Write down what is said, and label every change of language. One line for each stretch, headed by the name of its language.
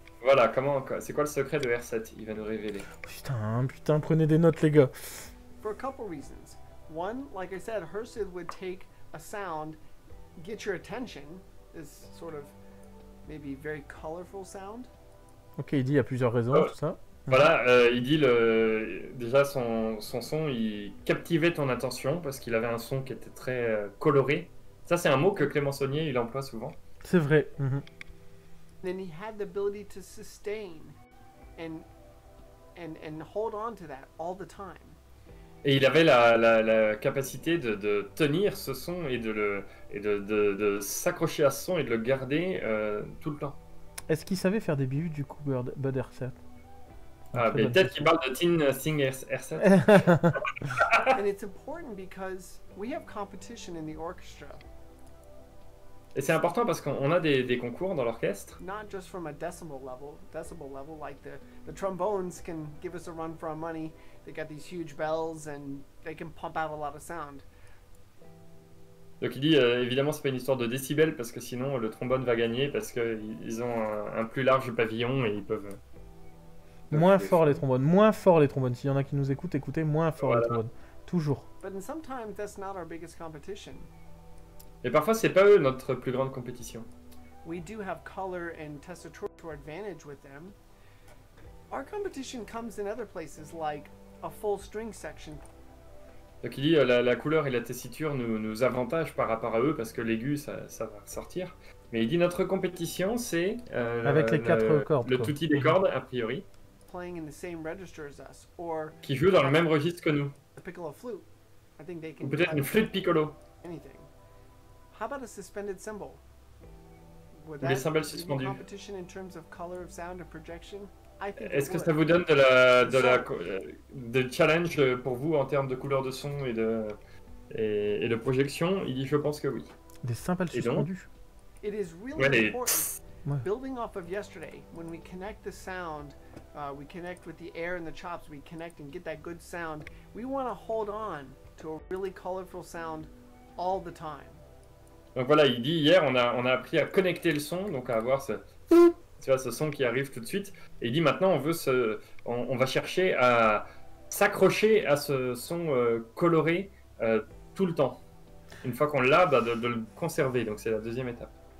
French: Voilà, comment, c'est quoi le secret de R7? Il va nous révéler. Putain, prenez des notes, les gars.
English: For a couple reasons. One, like I said, Hersid would take a sound, get your attention, this sort of maybe very colorful sound.
French: Ok, il dit il y a plusieurs raisons, tout ça. Voilà, il dit déjà son son, il captivait ton attention parce qu'il avait un son qui était très coloré. Ça, c'est un mot que Clément Saunier, il emploie souvent. C'est vrai.
English: And then he had the ability to sustain and hold on to that all the time.
French: Et il avait la capacité de tenir ce son et de s'accrocher à ce son et de le garder tout le temps. Est-ce qu'il savait faire des bijoux du coup, Bud R7? Ah, mais peut-être qu'il parle de Teen Thing R7.
English: And it's important because we have competition in the orchestra.
French: Et c'est important parce qu'on a des concours dans l'orchestre.
English: Not just from a decibel level, like the trombones can give us a run for our money. They got these huge bells and they can pump out a lot of sound.
French: Donc il dit évidemment c'est pas une histoire de décibels parce que sinon le trombone va gagner parce qu'ils ont un plus large pavillon et ils peuvent. Moins fort les trombones, moins fort les trombones. S'il y en a qui nous écoutent, écoutez moins fort les trombones, toujours.
English: But sometimes that's not our biggest competition.
French: Et parfois c'est pas eux notre plus grande compétition.
English: We do have color and tessitura to our advantage with them. Our competition comes in other places like a full string section.
French: Donc il dit la couleur et la tessiture nous avantagent par rapport à eux parce que l'aigu ça va sortir. Mais il dit notre compétition c'est avec les quatre cordes. Le tutti des cordes a priori.
English: Playing in the same register as us, or
French: qui joue dans le même registre que nous.
English: A piccolo flute. I think they can.
French: Ou peut-être une flûte piccolo.
English: Anything. How about a suspended cymbal? Would that be a competition in terms of color of sound or projection?
French: Est-ce que ça vous donne de challenge pour vous en termes de couleur de son et de projection? Il dit, je pense que oui. Des cymbales suspendues.
English: It is really important. Building off of yesterday, when we connect the sound, we connect with the air and the chops, we connect and get that good sound. We want to hold on to a really colorful sound all the time.
French: Donc voilà, il dit, hier, on a appris à connecter le son, donc à avoir ce... Tu vois, ce son qui arrive tout de suite. Et il dit, maintenant, on va chercher à s'accrocher à ce son coloré tout le temps. Une fois qu'on l'a, de le conserver. Donc c'est la deuxième étape.